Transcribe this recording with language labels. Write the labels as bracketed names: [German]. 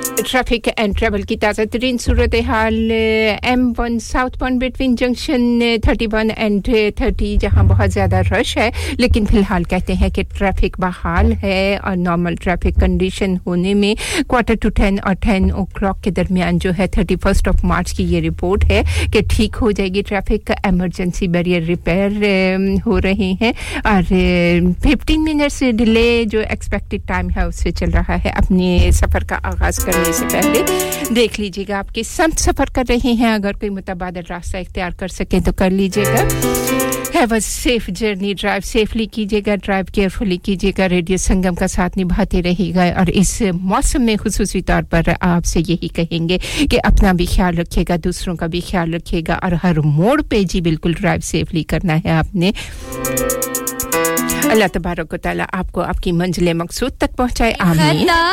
[Hindi] Traffic and travel की ताज़ा तरीन सूरत हाल M1 [English] south bound between junction 31 and 30 [Hindi] जहां बहुत ज़्यादा रश है लेकिन फिलहाल कहते हैं कि ट्रैफिक बहाल है और नॉर्मल ट्रैफिक कंडीशन होने में क्वार्टर टू 10 और 10 ओ क्लॉक के दरमियान जो है [English] 31st of March [Hindi] की ये रिपोर्ट है कि ठीक हो जाएगी ट्रैफिक एमरजेंसी बैरियर रिपेयर हो रहे हैं और 15 मिनट से डिले जो एक्सपेक्टेड टाइम है उससे चल रहा है अपने सफ़र का आगाज़ करने से पहले देख लीजिएगा आप किस संत सफर कर रहे हैं अगर कोई मुतबादल रास्ता इख्तियार कर सके तो कर लीजिएगा [English] Have a safe journey. Drive safely [Hindi] कीजिएगा. [English] Drive carefully कीजिएगा. [Hindi] Radio Sangam का साथ निभाते रहिएगा. और इस मौसम में खुसूसी तौर पर आपसे यही कहेंगे कि अपना भी ख्याल रखिएगा, दूसरों का भी ख्याल रखिएगा और हर मोड़ पे जी बिल्कुल [English] drive safely [Hindi] करना है आपने. अल्लाह तबारक व तआला आपको आपकी मंजिल मकसूद तक पहुंचाए. आमीन.